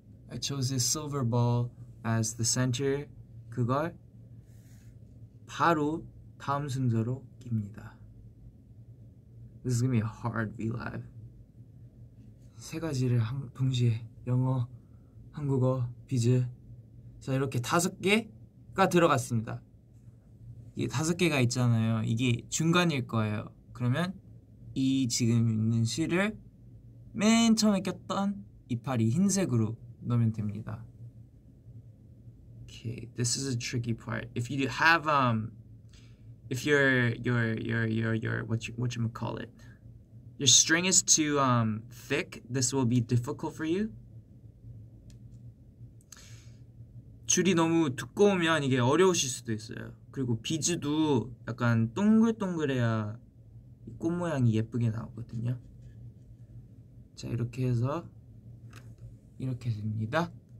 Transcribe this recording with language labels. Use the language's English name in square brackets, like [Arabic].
[English] I chose this silver ball as the center. [Korean] 그걸 바로 다음 순서로 낍니다. [English] This is gonna be a hard V Live. [Korean] 세 가지를 동시에 영어, 한국어, 비즈. 자, 이렇게 다섯 개 가 들어갔습니다. 이게 다섯 개가 있잖아요. 이게 중간일 거예요. 그러면 이 지금 있는 실을 맨 처음에 꼈던 이파리 흰색으로 넣으면 됩니다. [English] Okay, this is a tricky part. If you have if your whatchamacallit, your string is too thick, this will be difficult for you. [Korean] 줄이 너무 두꺼우면 이게 어려우실 수도 있어요. 그리고 비즈도 약간 동글동글해야 꽃 모양이 예쁘게 나오거든요. 자, 이렇게 해서 이렇게 됩니다.